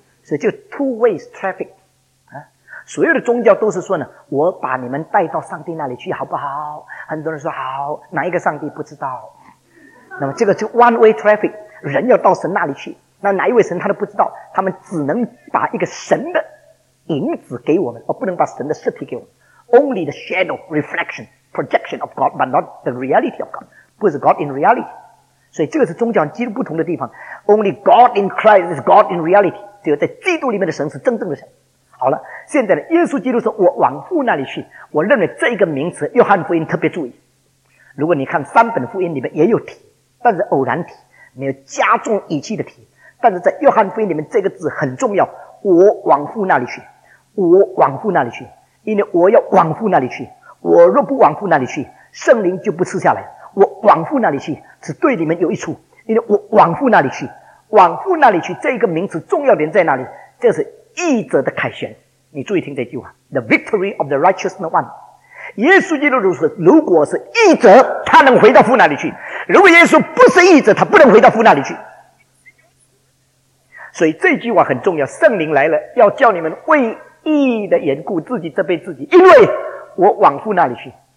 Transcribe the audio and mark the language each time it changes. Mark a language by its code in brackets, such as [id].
[zh] 所以就 [en] two ways traffic、 [zh] 所有的宗教都是说呢，我把你们带到上帝那里去好不好。很多人说好，哪一个上帝不知道。那么这个就 [en] one way traffic， [zh] 人要到神那里去，那哪一位神他都不知道，他们只能把一个神的影子给我们，而不能把神的实体给我们。 [en] Only the shadow, reflection, projection of God, but not the reality of God. [zh] 不是 [en] God in reality. [zh] 所以这个是宗教基督不同的地方。 [en] Only God in Christ is God in reality. [zh] 只有在基督里面的神是真正的神。好了，现在呢，耶稣基督说我往父那里去，我认为这一个名词约翰福音特别注意。如果你看三本福音里面也有提，但是偶然提，没有加重语气的提。但是在约翰福音里面这个字很重要，我往父那里去，我往父那里去。因为我要往父那里去，我若不往父那里去，圣灵就不赐下来。我往父那里去只对你们有益处，因为我往父那里去，往父那里去这个名词重要点在哪里？这是义者的凯旋。你注意听这句话， [en] The victory of the righteous one。 [zh] 耶稣基督说如果是义者他能回到父那里去，如果耶稣不是义者他不能回到父那里去。所以这句话很重要，圣灵来了要叫你们为义的缘故自己责备自己，因为我往父那里去。